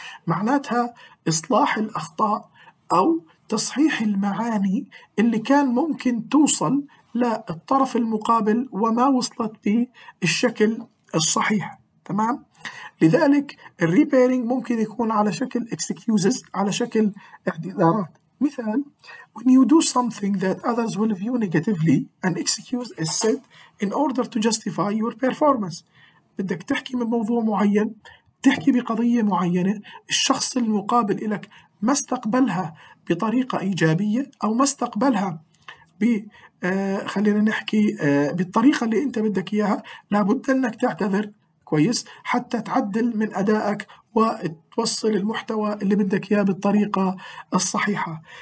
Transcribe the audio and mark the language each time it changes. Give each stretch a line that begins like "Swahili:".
Arabic: معناتها إصلاح الأخطاء أو تصحيح المعاني اللي كان ممكن توصل للطرف المقابل وما وصلت بالشكل الصحيح، تمام؟ لذلك الريبيرينج ممكن يكون على شكل excuses، على شكل اعتذارات.
English: مثال: when you do something that others will view negatively, an excuse is said in order to justify your performance.
Arabic: بدك تحكي من موضوع معين، تحكي بقضية معينة، الشخص المقابل إليك ما استقبلها بطريقة إيجابية، أو ما استقبلها خلينا نحكي بالطريقة اللي أنت بدك إياها، لابد أنك تعتذر كويس حتى تعدل من أدائك وتوصل المحتوى اللي بدك إياه بالطريقة الصحيحة.